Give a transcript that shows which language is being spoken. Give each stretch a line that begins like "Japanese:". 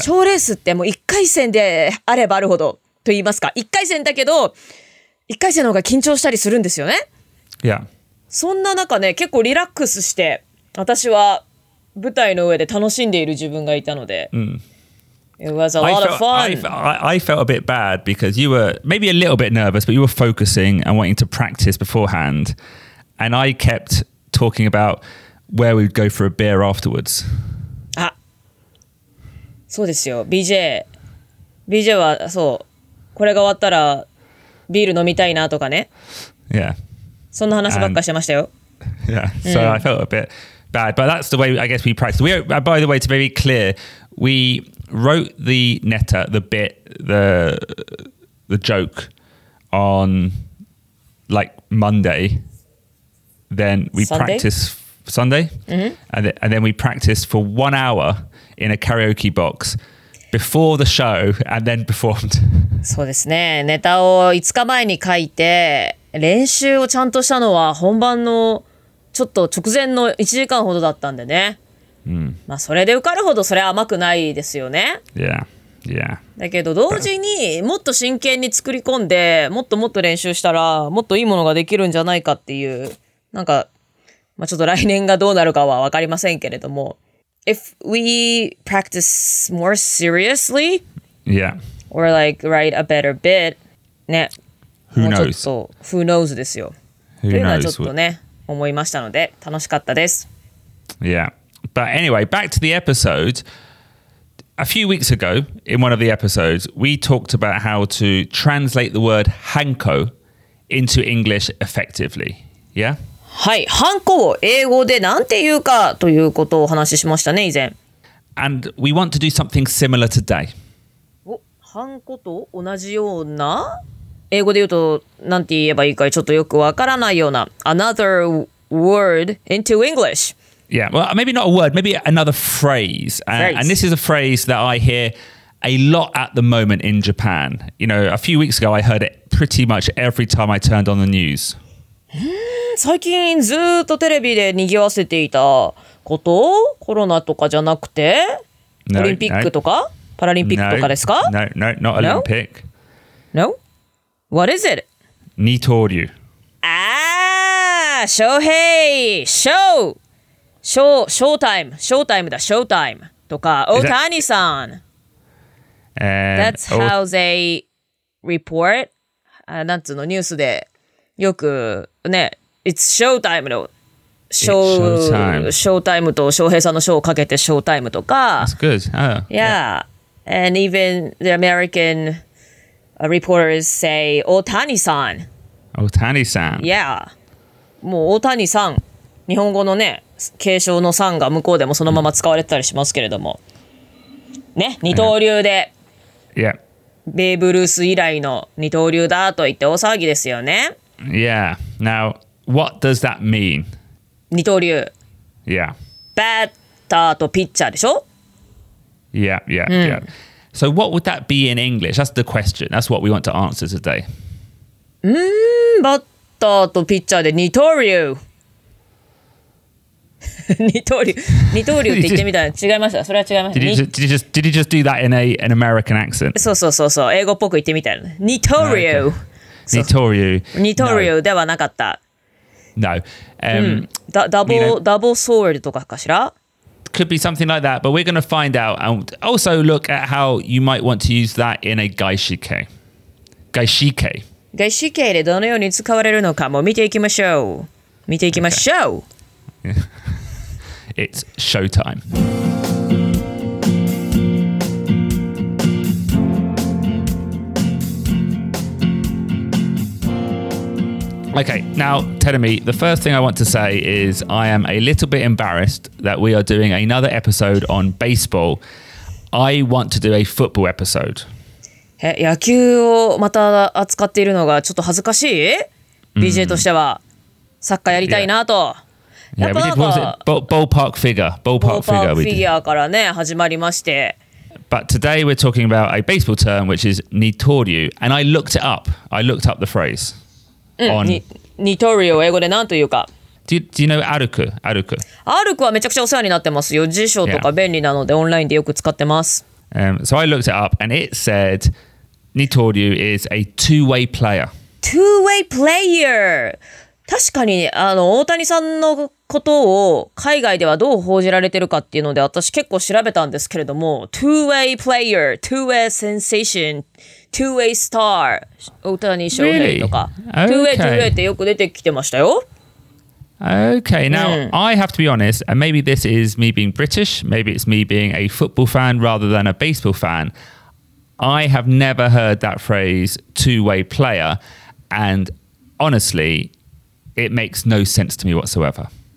Japanese: ショーレースってもう1回戦であればあるほどと言いますか、1回戦だけど1回戦の方が緊張したりするんですよね、
English: yeah.
Japanese: そんな中ね、結構リラックスして私は舞台の上で楽しんでいる自分がいたので、 mm.
English: It was a lot of fun. I felt a bit bad because you were maybe a little bit nervous, but you were focusing and wanting to practice beforehand. And I kept talking about where we'd go for a beer afterwards.
Japanese: Ah, そうですよ。 BJ、BJはそう、これが終わったらビール飲みたいなとかね。
English: Yeah.
Japanese: そんな話ばっかりしてましたよ。
English: Yeah. So I felt a bit bad, but that's the way I guess we practice. We, by the way, to be very clear, we. Wrote the netta, the bit, the joke on like Monday. Then we practiced Sunday、 mm-hmm. and then we practiced for 1 hour in a karaoke box before the show and then performed.
Japanese: そうですね。ネタを5日前に書いて練習をちゃんとしたのは本番のちょっと直前の1時間ほどだったんでね。うん、まあそれで受かるほどそれ甘くないですよね。
English: Yeah. Yeah.
Japanese: だけど同時にもっと真剣に作り込んでもっともっと練習したらもっといいものができるんじゃないかっていうなんか、まあ、ちょっと来年がどうなるかは分かりませんけれども
English: If we practice more seriously Yeah. Or like write a better bit ね Who knows? Who knows ですよ Who knows?
Japanese: というのはちょっとね思いましたので楽しかったです
English: Yeah. But anyway, back to the episode. A few weeks ago, in one of the episodes, we talked about how to translate the word hanko into English effectively. Yeah?
Japanese: はい、ハンコを英語でなんて言うかということをお話ししましたね、以前。
English: And we want to do something similar today.
Japanese: お、ハンコと同じような英語で言うとなんて言えばいいかちょっとよくわからないような
English: another word into English. Yeah, well, maybe not a word, maybe another phrase. And this is a phrase that I hear a lot at the moment in Japan. You know, a few weeks ago, I heard it pretty much every time I turned on the news.
Japanese: 最近ずっとテレビで賑わせていたこと、コロナとかじゃなくて、オリンピックとか、パラリンピックとかですか?
English: No, not Olympic. No? What is it?
Japanese: 二刀流.
English: Ah, Shohei! Show!
Japanese: ショータイムだ、とか、Otani さん。
English: That's how they report.
Japanese: なんつうの、ニュースでよくね、
English: It's showtime
Japanese: のショータイムと翔平さんのショーをかけてショータイムとか。
English: That's good.、 Oh, yeah. yeah. And even the American reporters say, Otani-san. Otani-san. Yeah.
Japanese: もう Otani-san。日本語のね、継承のさんが向こうでもそのまま使われてたりしますけれども。ね、二刀流で。
English: Yeah.
Japanese: ベーブ・ルース以来の二刀流だと言って大騒ぎですよね。
English: Yeah. Now, what does that mean?
Japanese: 二刀流。
English: Yeah.
Japanese: バッターとピッチャーでしょ?
English: Yeah, yeah,、うん、yeah. So what would that be in English? That's the question. That's what we want to answer today.
Japanese: バッターとピッチャーで二刀流。二刀流って言ってみたら違いました。それは違いました。
English: Did you just do that in an American accent?
Japanese: そう。英語っぽく言ってみたら。二刀流。二刀流。二刀流ではなかった。
English: No.
Japanese: Double sword とかかしら?
English: Could be something like that, but we're going to find out and also look at how you might want to use that in a gaishike. Gaishike.
Japanese: Gaishike でどのように使われるのかも見ていきましょう。見ていきましょう。
English: Okay. It's showtime. Okay, now, Terumi, the first thing I want to say is I am a little bit embarrassed that we are doing another episode on baseball. I want to do a football episode.
Japanese: 野球をまた扱っているのがちょっと恥ずかしい? BJ としてはサッカーやりたいなと。
English: Yeah, we did, what was it? Ballpark figure. Ballpark figure.
Japanese: Ballpark figure からね、始まりまして。
English: But today we're talking about a baseball term, which is 二刀流. And I looked it up. I looked up the phrase.
Japanese: 二刀流を英語で何というか
English: Do you know 歩く歩く
Japanese: 歩くはめちゃくちゃお世話になってますよ辞書とか便利なので、yeah. オンラインでよく使ってます、
English: So I looked it up and it said 二刀流 is a two-way player
Japanese: Two-way player 確かにあの大谷さんのことを海外ではどう報じられてるかっていうので私結構調べたんですけれども Two-way player Two-way sensationtwo-way star 大谷翔平とか、
English: really? okay.
Japanese: two-way ってよく出てきてましたよ
English: okay now、うん、I have to be honest and maybe this is me being British maybe it's me being a football fan rather than a baseball fan I have never heard that phrase two-way player and honestly it makes no sense to me whatsoever